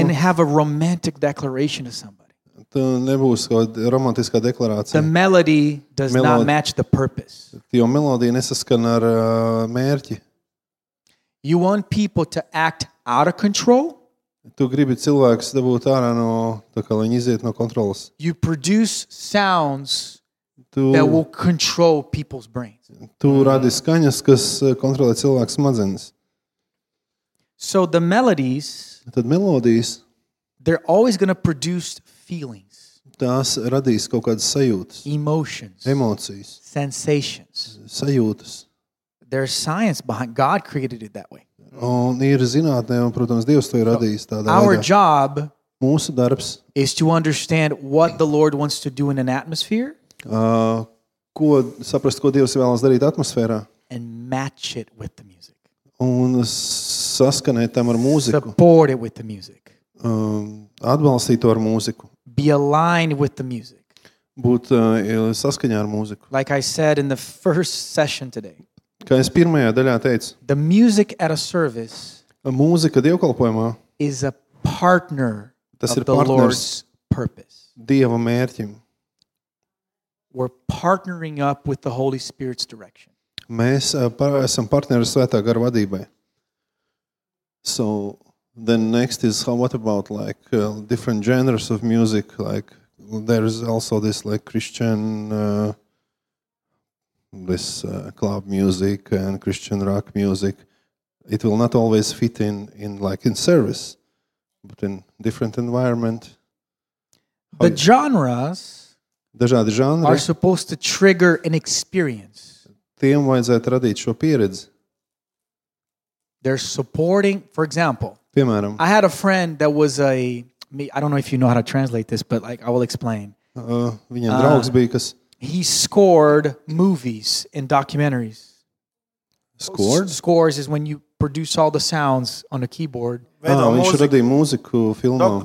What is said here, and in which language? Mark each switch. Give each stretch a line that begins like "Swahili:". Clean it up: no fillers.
English: And have a romantic declaration to somebody.
Latvian: Tu nebūs kaut romantiskā deklarācija.
English: The melody does not match the purpose.
Latvian: Jo melodija nesaskan ar mērķi.
English: You want people to act out of control?
Latvian: Tu gribi cilvēkus dabūt ārā no, tā kā viņi iziet no kontrolas.
English: You produce sounds that will control people's brains.
Latvian: Tu radi skaņas, kas kontrolē cilvēku smadzenes.
English: So the melodies,
Latvian: tad melodijas,
English: they're always going to produce feelings.
Latvian: Tās radīs kaut kādas sajūtas.
English: Emotions.
Latvian: Emocijas.
English: Sensations.
Latvian: Sajūtas.
English: There's science behind God created it that way.
Latvian: Un ir zinātnē, un, protams, Dievs to ir radījis tādā veidā.
English: Our job,
Latvian: mūsu darbs,
English: is to understand what the Lord wants to do in an atmosphere.
Latvian: Ko saprast, ko Dievs vēlas darīt atmosfērā.
English: And match it with the music.
Latvian: Un saskanēt tam ar mūziku.
English: Support it with the music.
Latvian: Atbalstīt to ar mūziku.
English: Be aligned with the music.
Latvian: Būt saskaņā ar mūziku.
English: Like I said in the first session today.
Latvian: Kā es pirmajā daļā teicu.
English: The music at a service.
Latvian: Mūzika dievkalpojumā.
English: Is a partner of the Lord's purpose.
Latvian: Dieva mērķim.
English: We're partnering up with the Holy Spirit's direction.
Latvian: Mēs esam partneri Svētā Gara vadībai.
English: So then next is what about like different genres of music, like there is also this like Christian this club music and Christian rock music. It will not always fit in like in service, but in different environment. The genres,
Latvian: dažādi žanri,
English: are supposed to trigger an experience.
Latvian: Tiem vajadzētu radīt šo pieredzi.
English: They're supporting, for example,
Latvian: piemēram,
English: I had a friend that was I don't know if you know how to translate this, but like I will explain.
Latvian: Viņam draugs bija, kas
English: he scored movies and documentaries. Scored? Scores is when you produce all the sounds on a keyboard.
Latvian: Viņš radīja mūziku filmā.